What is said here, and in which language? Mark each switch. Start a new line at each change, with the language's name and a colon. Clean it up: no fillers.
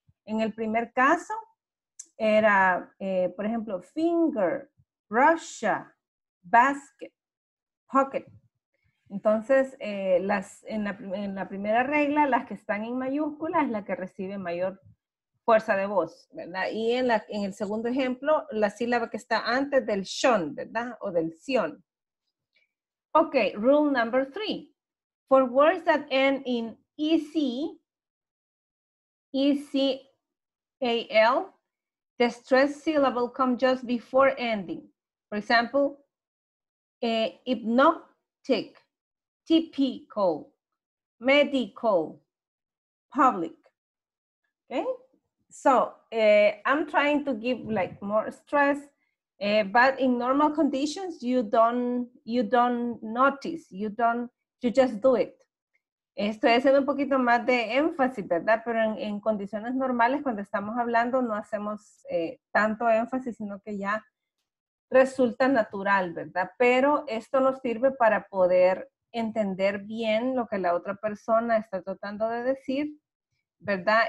Spanish: En el primer caso, era, por ejemplo,
English: finger, brush, basket, pocket.
Spanish: Entonces, en la primera regla, las que están en mayúscula es la que recibe mayor fuerza de voz, ¿verdad? Y en el segundo ejemplo, la sílaba que está antes del shon, ¿verdad? O del sion.
English: Ok, rule number three. For words that end in E-C-A-L, the stressed syllable comes just before ending. For example, hypnotic. Typical, medical, public, okay? So I'm trying to give like more stress But in normal conditions, you don't notice, you just do it.
Spanish: Esto es un poquito más de énfasis, ¿verdad? Pero en condiciones normales, cuando estamos hablando, no hacemos tanto énfasis, sino que ya resulta natural, ¿verdad? Pero esto nos sirve para poder entender bien lo que la otra persona está tratando de decir, ¿verdad?